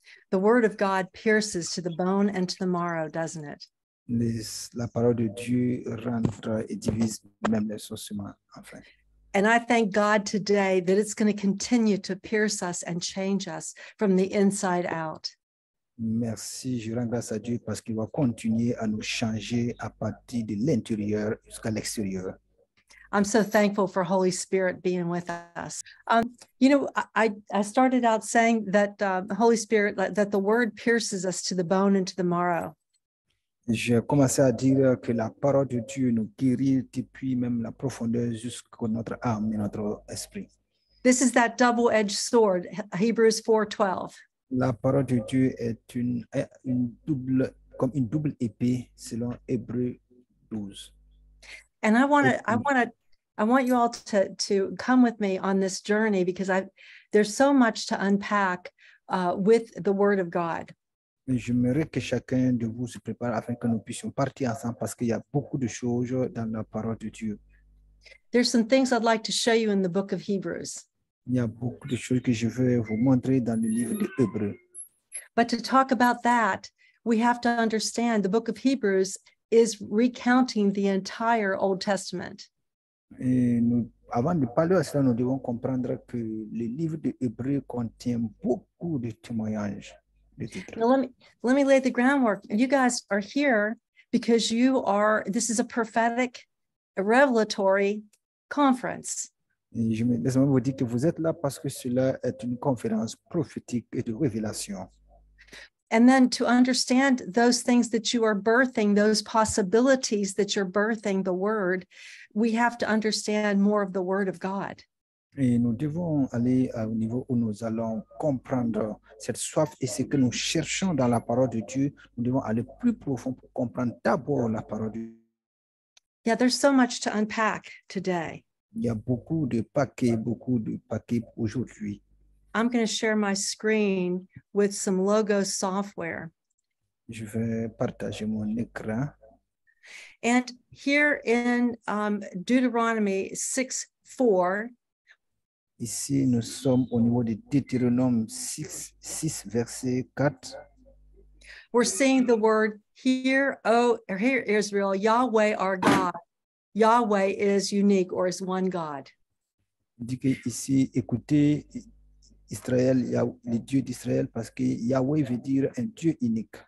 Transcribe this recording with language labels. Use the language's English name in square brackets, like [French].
[English] The word of God pierces to the bone and to the marrow, doesn't it? [French] La parole de Dieu rentre et divise même les os humains, en fait. [English] And I thank God today that it's going to continue to pierce us and change us from the inside out. [French] Merci, je rends grâce à Dieu parce qu'il va continuer à nous changer à partir de l'intérieur jusqu'à l'extérieur. [English] I'm so thankful for Holy Spirit being with us. You know, I started out saying that Holy Spirit, that the word pierces us to the bone and to the marrow. [French] J'ai commencé à dire que la parole de Dieu nous guérit depuis même la profondeur jusqu'à notre âme et notre esprit. [English] This is that double-edged sword, Hebrews 4:12. [French] La parole de Dieu est une double épée selon Hébreux 12. [English] And I want you all to come with me on this journey because there's so much to unpack with the Word of God. [French] J'aimerais que chacun de vous se prépare afin que nous puissions partir ensemble parce qu'il y a beaucoup de choses dans la parole de Dieu. [English] There's some things I'd like to show you in the book of Hebrews. [French] Il y a beaucoup de choses que je veux vous montrer dans le livre de Hébreux. [English] But to talk about that, we have to understand the book of Hebrews is recounting the entire Old Testament. [French] Avant de parler à cela, nous devons comprendre que le livre de Hébreux contient beaucoup de témoignages. [English] Now let me lay the groundwork. You guys are here because you are. This is a prophetic, a revelatory conference. [French] Laissez-moi vous dire que vous êtes là parce que cela est une conférence prophétique et de révélation. [English] And then to understand those things that you are birthing, those possibilities that you're birthing, the Word, we have to understand more of the Word of God. [French] Et nous devons aller au niveau où nous allons comprendre cette soif et ce que nous cherchons dans la parole de Dieu. Nous devons aller plus profond pour comprendre d'abord la parole de Dieu. [English] Yeah, there's so much to unpack today. [French] Il y a beaucoup de paquets aujourd'hui. [English] I'm going to share my screen with some logo software. [French] Je vais partager mon écran. [English] And here in Deuteronomy 6:4. [French] Ici, nous sommes au niveau de Deutéronome 6, verset 4. [English] We're seeing the word, hear, Israel, Yahweh our God. Yahweh is unique or is one God. [French] Il dit que ici, écoutez, Israël, le Dieu d'Israël, parce que Yahweh veut dire un Dieu unique.